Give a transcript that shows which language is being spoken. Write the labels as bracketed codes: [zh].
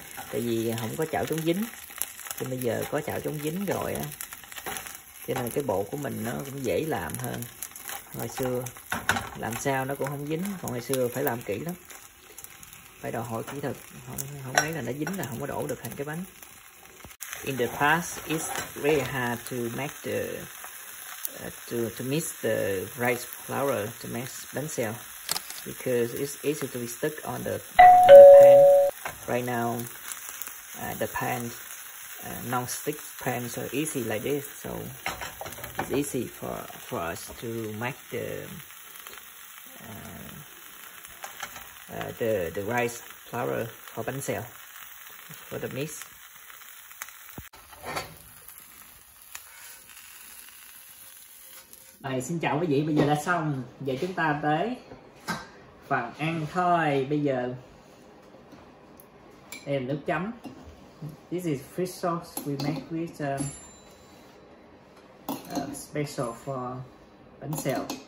[vi] Tại vì không có chảo chống dính. Thì bây giờ có chảo chống dính rồi á. Cho nên cái bột của mình nó cũng dễ làm hơn. Hồi xưa làm sao nó cũng không dính, còn hồi xưa phải làm kỹ lắm. Phải đòi hỏi kỹ thuật, không mấy là nó dính là không có đổ được thành cái bánh. [en] In the past, it's very hard to make the to mix the rice flour to make bánh xèo because it's easy to be stuck on the pan. Right now, the pan non-stick pan so easy like this, so it's easy for us to make the rice flour for bánh xèo for the mix. [vi] Rồi, xin chào quý vị, bây giờ đã xong. Giờ chúng ta tới phần ăn thôi. Bây giờ đây là nước chấm. [en] This is fish sauce we make with special for bánh xèo.